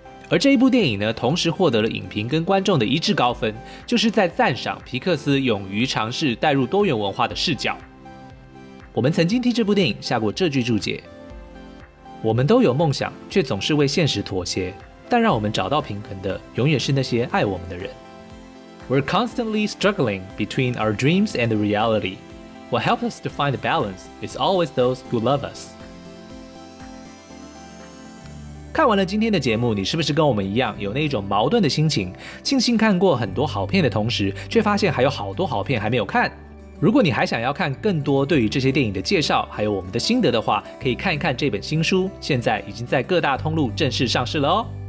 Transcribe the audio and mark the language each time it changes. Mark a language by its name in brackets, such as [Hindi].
[Chinese] 而这一部电影呢，同时获得了影评跟观众的一致高分，就是在赞赏皮克斯勇于尝试带入多元文化的视角。我们曾经替这部电影下过这句注解：我们都有梦想，却总是为现实妥协，但让我们找到平衡的永远是那些爱我们的人。 [English] We're constantly struggling between our dreams and the reality. What helps us to find the balance is always those who love us. [Chinese] 看完了今天的节目，你是不是跟我们一样有那种矛盾的心情，庆幸看过很多好片的同时，却发现还有好多好片还没有看？如果你还想要看更多对于这些电影的介绍还有我们的心得的话，可以看一看这本新书，现在已经在各大通路正式上市了哦。